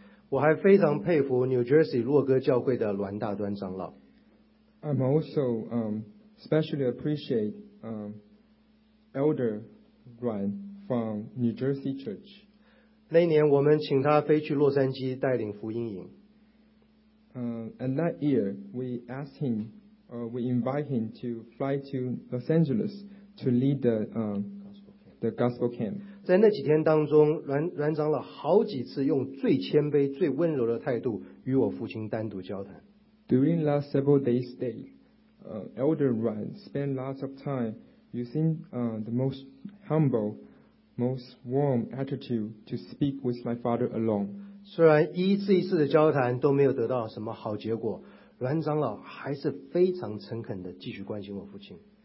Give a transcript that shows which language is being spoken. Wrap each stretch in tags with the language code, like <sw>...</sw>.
<zh>我还非常佩服 New Jersey 洛哥教会的栾大端长老。</zh> <en>I'm also specially appreciate Elder Ryan from New Jersey Church.</en> <zh>那年我们请他飞去洛杉矶带领福音营。</zh> <en>And that year we asked him, we invite him to fly to Los Angeles to lead the gospel camp.</en> <zh>在那几天当中，阮长老好几次用最谦卑、最温柔的态度与我父亲单独交谈。</zh> <en>During the last several days, Elder Ryan spent lots of time using the most humble, most warm attitude to speak with my father alone.</en> <zh>虽然一次一次的交谈都没有得到什么好结果，阮长老还是非常诚恳的继续关心我父亲。</zh>